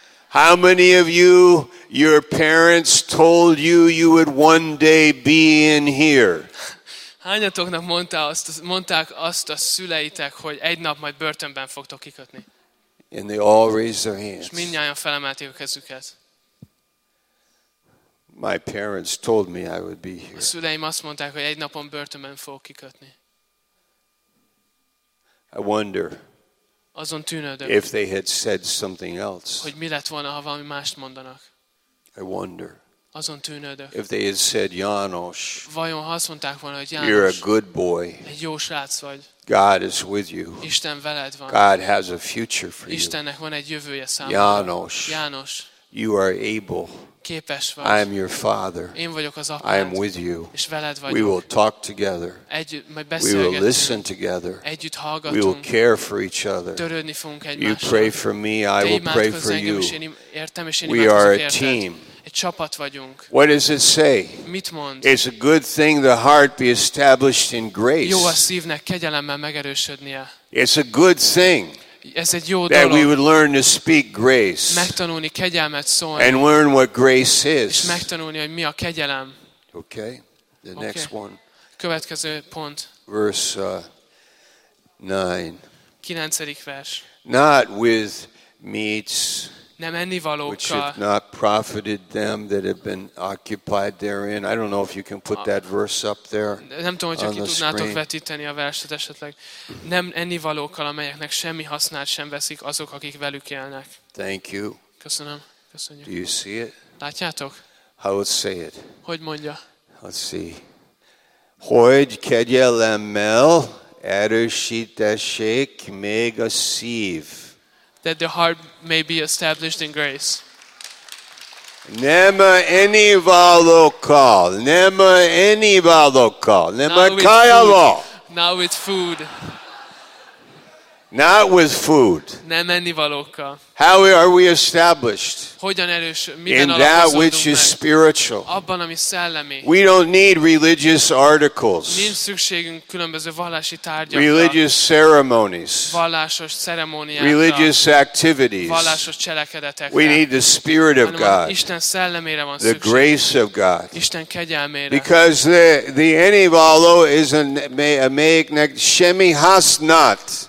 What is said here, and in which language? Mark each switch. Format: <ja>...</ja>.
<en>How many of you, your parents told you you would one day be in here?</en> <hu>Hányatoknak mondták azt a szüleitek, hogy egy nap majd börtönben fogtok kikötni?</hu> <en>And they all raised their hands.</en> <hu>És mindnyájan felemelték a kezüket.</hu> <en>My parents told me I would be here.</en> <hu>A szüleim azt mondták, hogy egy napon börtönben fogok kikötni.</hu> <en>I wonder.</en> <hu>Azon tűnődök.</hu> <en>If they had said something else.</en> <hu>Hogy mi lett volna, ha valami mást mondanak.</hu> <en>I wonder.</en> <hu>Azon tűnődök.</hu> <en>If they had said János.</en> <hu>Vajon ha azt mondták volna, hogy János.</hu> <en>You're a good boy.</en> <hu>Egy jó srác vagy.</hu> <en>God is with you.</en> <hu>Isten veled van.</hu> <en>God has a future for you.</en> <hu>Istennek van egy jövője számára.</hu> <en>János.</en> <hu>János.</hu> <en>You are able.</en> <hu>Képes vagy.</hu> <en>I am your father.</en> <hu>Én vagyok az apád.</hu> <en>I am with you.</en> <hu>És veled vagyok.</hu> <en>We will talk together.</en> <hu>Együtt majd beszélgetünk.</hu> <en>We will listen together.</en> <hu>Együtt hallgatunk.</hu> <en>We will care for each other.</en> <hu>Törődni fogunk egymással.</hu> <en>You pray for me, I will pray for you. We are a team.</en> <hu>Egy csapat vagyunk.</hu> <en>What does it say?</en> <hu>Mit mond?</hu> <en>It's a good thing the heart be established in grace.</en> <hu>Jó a szívnek kegyelemmel megerősödnie.</hu> <en>It's a good thing.</en> <hu>Ez egy jó dolog.</hu> <en>That we would learn to speak grace.</en> <hu>Megtanulni kegyelmet szólni.</hu> <en>And learn what grace is.</en> <hu>És megtanulni, hogy mi a kegyelem.</hu> <en>Okay. The okay. Next one.</en> <hu>Következő pont.</hu> <en>Verse 9.</en> <hu>9. vers.</hu> <en>Not with meats.</en> <hu>Nem ennivalókkal.</hu> <en>Which have not profited them that have been occupied therein. I don't know if you can put that verse up there.</en> <hu>Nem tudom, hogy ki tudnátok vetíteni a verset esetleg. Nem ennivalókkal, amelyeknek semmi hasznát sem veszik azok, akik velük élnek.</hu> <en>Thank you.</en> <hu>Köszönöm. Köszönjük.</hu> <en>Do you see it?</en> <hu>Látjátok?</hu> <en>How would say it?</en> <hu>Hogy mondja?</hu> <en>Let's see.</en> <hu>Hogy kegyelemmel erősítessék még a szív.</hu> <en>That the heart may be established in grace.</en> <hu>Nem ennivalókkal, nem ennivalókkal, nem kajával.</hu> <en>Not with food. Not with food.</en> <hu>Nem ennivalókkal.</hu> <en>How are we established?</en> <hu>Hogyan erős,</hu> <en>in that which</en> <hu>meg?</hu> <en>Is spiritual.</en> <hu>Abban, ami szellemi.</hu> <en>We don't need religious articles.</en> <hu>Nincs szükségünk különböző vallási tárgyakra.</hu> <en>Religious ceremonies.</en> <hu>Vallásos ceremóniákra.</hu> <en>Religious activities.</en> <hu>Vallásos cselekedetekre.</hu> <en>We need the spirit of God.</en> <hu>Isten szellemére van szükségünk.</hu> <en>The grace of God.</en> <hu>Isten kegyelmére. Because the enivalo is an meik nek shemi has not.</hu>